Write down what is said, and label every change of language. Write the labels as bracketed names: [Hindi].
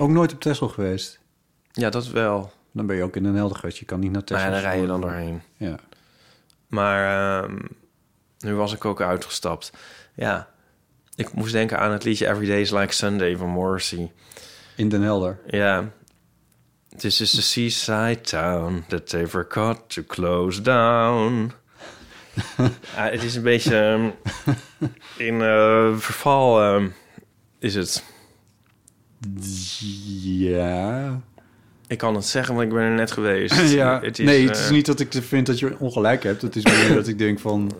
[Dutch] Ook nooit op Texel geweest? Ja, dat wel. Dan ben je ook in Den Helder geweest. Je kan niet naar Texel. Ja, dan rij je dan doorheen. Ja. Maar nu was ik ook uitgestapt. Ja, ik moest denken aan het liedje Every Day is Like Sunday van Morrissey. In Den Helder? Ja. [English] This is the seaside town that they forgot to close down. [Dutch] Het is een beetje in verval, is het. Ja. Ik kan het zeggen, want ik ben er net geweest. Ja. Het is, nee, het is niet dat ik vind dat je ongelijk hebt. Het is meer dat ik denk van...